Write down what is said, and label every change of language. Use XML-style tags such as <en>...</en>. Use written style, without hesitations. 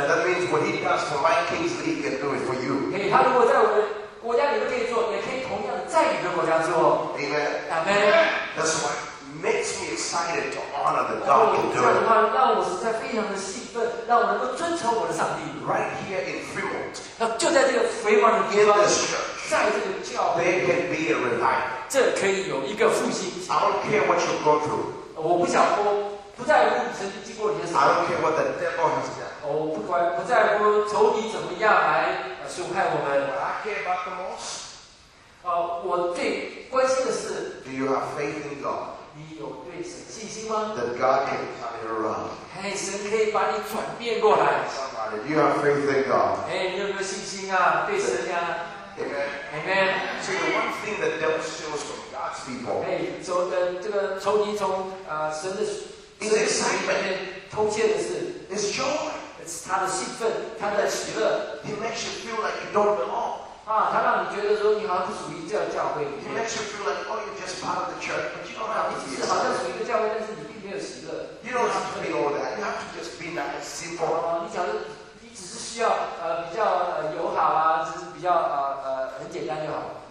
<en>That means what He does for my Kingsley, He can do it for you.</en> <zh>他如果在我们国家里面可以做，也可以同样在你的国家做。</zh> <en>Amen. Amen. That's why makes me excited to honor the God who can do it.</en> <zh>让我实在非常的兴奋，让我能够尊崇我的上帝。</zh> <en>Right here in Fremont.</en> <zh>就在这个Fremont的地方，在这个教会。</zh> <en>There can be a revival.</en> <zh>这可以有一个复兴。</zh> <en>I don't care what you go through.</en> <zh>我不在乎曾经经过你的事。</zh> <en>I don't care what the devil has done.</en> <zh>我不在乎仇敌怎么样来损害我们。</zh> <en>I care about the most.</en> <zh>我最关心的是。</zh> <en>Do you have faith in God?</en> <zh>你有对神信心吗？</zh> <en>That God can turn it around.</en> <zh>神可以把你转变过来。</zh> <en>Somebody, you have faith in God.</en> <zh>你有没有信心啊？对神呀。</zh> <en>Amen. Amen. So the one thing that devil steals from God's people.</en> <zh>这个仇敌从神的</zh> <en>excitement</en> <zh>偷窃的是</zh> <en>is joy.</en> <zh>他的兴奋，他的喜乐。</zh> <en>He makes you feel like you don't belong.</en> <zh>他让你觉得说你好像不属于这样教会。</zh> <en>He makes you feel like, oh, you're just part of the church, but you don't have to be.</en> <zh>你只是好像属于一个教会，但是你并没有喜乐。</zh> <en>You don't have to be all that. You have to just be nice, simple.</en> <zh>你只是需要比较友好啊，只是比较很简单就好。</zh>